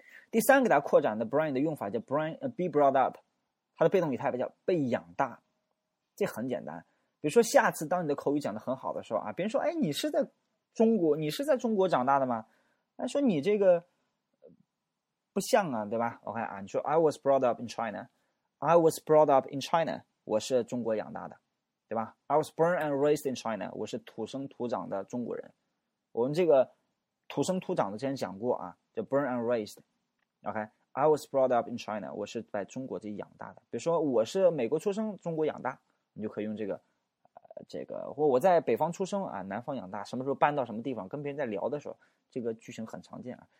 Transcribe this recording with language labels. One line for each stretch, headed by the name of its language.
Chinese: 第三给大家扩展的 brain 的用法叫 brain, be brought up, 它的被动语态叫被养大，这很简单，比如说下次当你的口语讲得很好的时候啊，别人说哎，你是在中国长大的吗，说你这个不像啊，对吧？我看啊，你说
English: I was brought up in China, I was brought up in China,
Chinese: 我是中国养大的，对吧？
English: I was born and raised in China,
Chinese: 我是土生土长的中国人。我们这个土生土长的之前讲过啊，叫 born and raised。 OK,
English: I was brought up in China,
Chinese: 我是在中国这里养大的。比如说我是美国出生，中国养大，你就可以用这个，这个或我在北方出生啊，南方养大，什么时候搬到什么地方，跟别人在聊的时候，这个句型很常见啊。